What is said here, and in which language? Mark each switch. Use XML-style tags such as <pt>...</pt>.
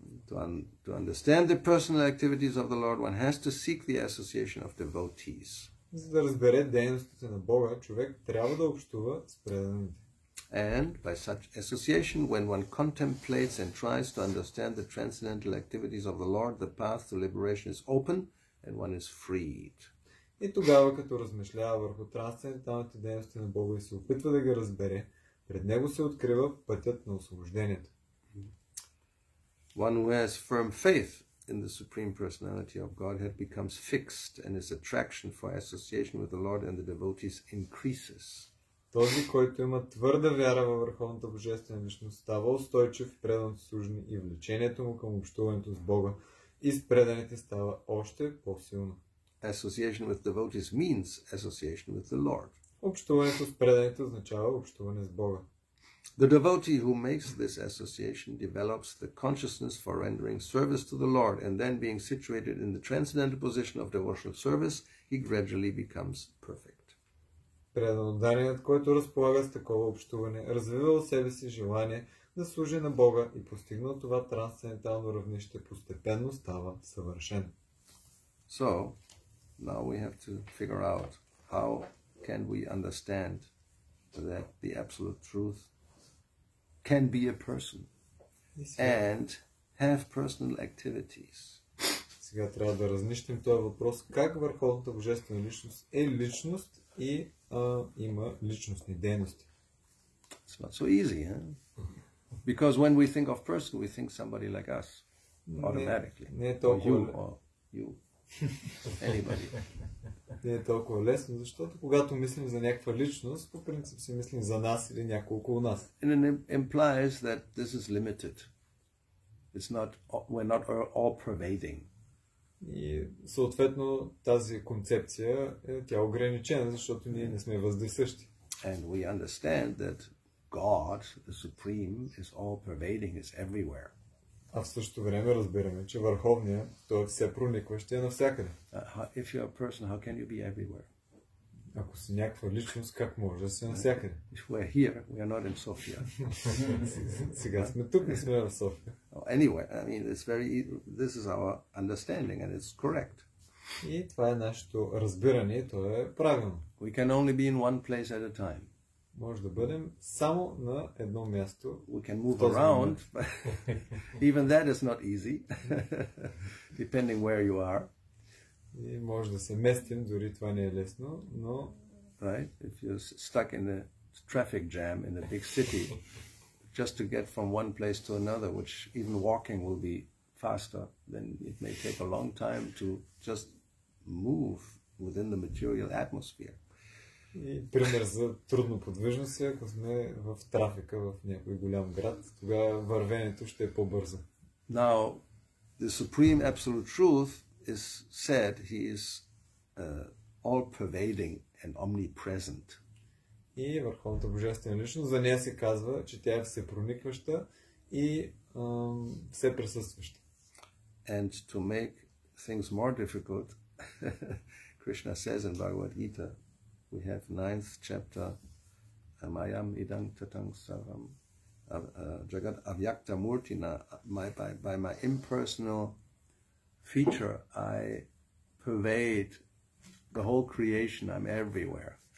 <en>To understand the personal activities of the Lord, one has to seek the association of devotees.</en> <bg>За да разбере дейностите на Бога, човек трябва да общува с преданите.</bg> <en>And by such association, when one contemplates and tries to understand the transcendental activities of the Lord, the path to liberation is open and one is freed.</en> <bg>И тогава, като размишлява върху трансценденталните дейности на Бога и се опитва да ги разбере, пред него се открива пътят на освобождението.</bg> <en>One who has firm faith in the Supreme Personality of Godhead becomes fixed and his attraction for association with the Lord and the devotees increases.</en> <bg>Този, който има твърда вяра във върховната божествена личност, става устойчив, предан служни и влечението му към общуването с Бога и с преданите става още по-силно.</bg> <en>Association with devotees means association with the Lord.</en> <bg>Общуването с преданите означава общуване с Бога.</bg> <en>The devotee who makes this association develops the consciousness for rendering service to the Lord and then being situated in the transcendental position of devotional service, he gradually becomes perfect.</en> <bg>Преданоданият, който разполага с такова общуване, развива в себе си желание да служи на Бога и постигнал това трансцендентално равнище, постепенно става съвършен.</bg> <en>So, now we have to figure out how can we understand that the absolute truth can be a person and have personal activities.</en> <bg>Сега трябва да разнищим този въпрос, как върховната божествена личност е личност и има личностни дейности.</bg> <en>It's not so easy, huh? Because when we think of person, we think somebody like us automatically.</en> <bg>Не е толкова.</bg> <en>Or you. Anybody.</en> <bg>Не е толкова лесно, защото когато мислим за някаква личност, по принцип си мислим за нас или някой около нас.</bg> <en>And it implies that this is limited. We're not all pervading.</en> <bg>И съответно тази концепция е тя ограничена, защото ние не сме въздесъщи.</bg> <en>And we understand that God, the Supreme, is all pervading, is everywhere.</en> <bg>А в същото време разбираме, че върховният, той е все проникващ, е навсякъде.</bg> <en>If you are a person, how can you be everywhere?</en> <bg>Ако си някаква личност, как може да си навсякъде?</bg> <en>If we are here, we are not in Sofia.</en> <bg>Сега сме тук, не сме в София.</bg> <en>Anyway, I mean, this is our understanding and it's correct.</en> <bg>И това е нашето разбиране, то е правилно.</bg> <en>We can only be in one place at a time.</en> <bg>Може да бъдем само на едно място.</bg> <en>We can move around, but even that is not easy, depending where you are.</en> <bg>И може да се местим, дори това не е лесно, но...</bg> <en>Right? If you're stuck in a traffic jam in a big city, just to get from one place to another, which even walking will be faster, then it may take a long time to just move within the material atmosphere.</en> <bg>И пример за трудно подвижност е, ако сме в трафика в някой голям град, тогава вървенето ще е по-бързо.</bg> <en>Now, the Supreme Absolute Truth is said he is all-pervading and omnipresent.</en> <bg>И върховната божествена личност, за нея се казва, че тя е всепроникваща и все присъстваща.</bg> <en>And to make things more difficult, Krishna says in Bhagavad Gita, we have 9th chapter,</en> <sa>Amayam Idang Tatang Saram, Jagat Avyakta Murtina,</sa> <en>by my impersonal feature, I pervade the whole creation, I'm everywhere.</en>